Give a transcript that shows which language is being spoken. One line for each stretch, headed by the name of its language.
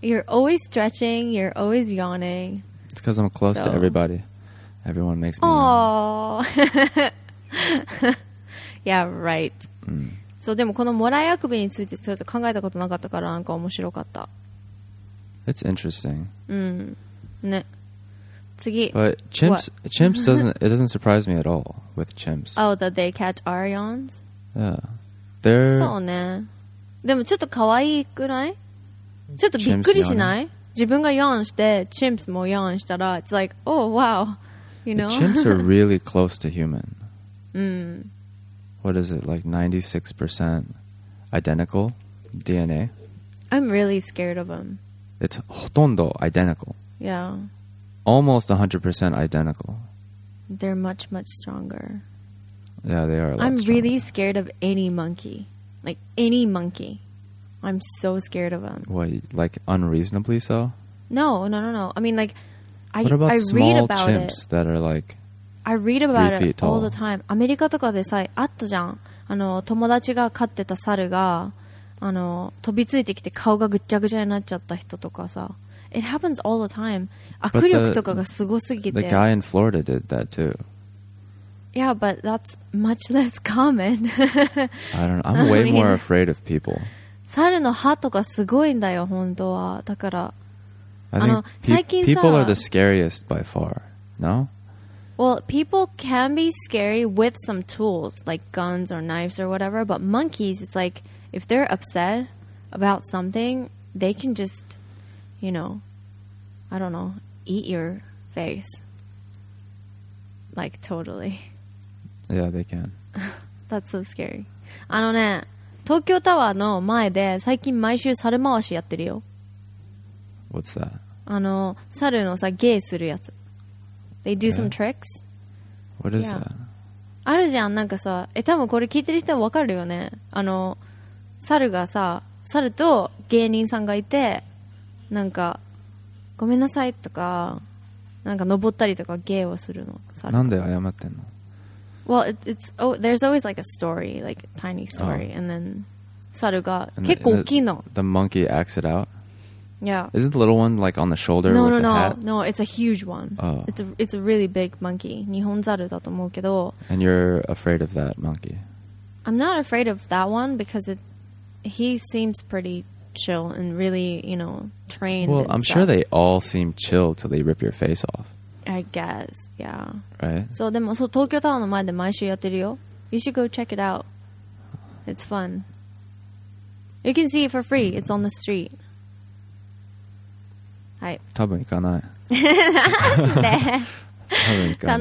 English: You're always stretching. You're always yawning. It's because I'm close to everybody. Everyone makes me yawn. Aww. Yeah, right.
Japanese: So, でもこのもらいあくびについてちょっと考えたことなかったからなんか面白かった。
English: It's interesting.
Japanese: ね。次。
English: But chimps doesn't surprise me at all with chimps. Oh, that they catch our yawns? Yeah. They're...
Japanese: そうね。でもちょっと可愛いくない？ちょっとびっくりしない？自分が
English: yawn
Japanese: して、
English: chimps も yawn
Japanese: したら、
English: it's like, oh, wow. You know? Chimps are really close to human. Mm. What is it, like 96% identical DNA? I'm really scared of them. It's
Japanese: ほとんど
English: identical. Yeah. Almost 100% identical. They're much, much stronger. Yeah, they are a lot I'm stronger. Really scared of any monkey. Like, any monkey. I'm so scared of them. What, like, unreasonably so? No. I mean, like, I read about it. What about small chimps that are, like, 3 feet tall? I read about it all the time.
Japanese: アメリカとかでさえあったじゃん。友達が飼ってた猿が、飛びついてきて顔がぐっちゃぐちゃになっちゃった人とかさ、
English: It happens all the time.
Japanese: 握力とかがすごすぎて。
English: The guy in Florida did that too. Yeah, but that's much less common. I don't know. I'm way more afraid of people.
Japanese: 猿の歯とかすごいんだよ、本当は。だから、最近さ、
English: people are the scariest by far. No? Well, people can be scary with some tools, like guns or knives or whatever, but monkeys, it's like, if they're upset about something, they can just, you know, I don't know, eat your face. Like, totally. Yeah, they can. That's so scary.
Japanese: あのね、東京タワーの前で最近毎週猿回しやってるよ。
English: What's that?
Japanese: あの、猿のさ、芸するやつ。
English: They do some tricks. What is that?
Japanese: あるじゃん、なんかさ、多分これ聞いてる人はわかるよね。あの、猿がさ、猿と芸人さんがいて、なんか、ごめんなさいとか、なんか登ったりとか芸をするの。猿なんで謝ってんの？
English: Well, it's oh, there's always like a story, like a tiny story, and then
Japanese: 猿が結構大きいの。
English: The monkey acts it out. Yeah. Isn't the little one like on the shoulder no, with no, the no. hat? No, it's a huge one. Oh. It's a really big monkey.
Japanese: 日本猿だと思うけど。
English: And you're afraid of that monkey? I'm not afraid of that one because he seems pretty chill and really, you know, trained. Well, I'm sure they all seem chill till they rip your face off. I guess, yeah. Right? So,
Japanese: でもそう、東京タワーの前で毎週やってるよ。
English: You should go check it out. It's fun. You can see it for free. It's on the street.
Japanese: はい。多分行かない。で、多分行かない。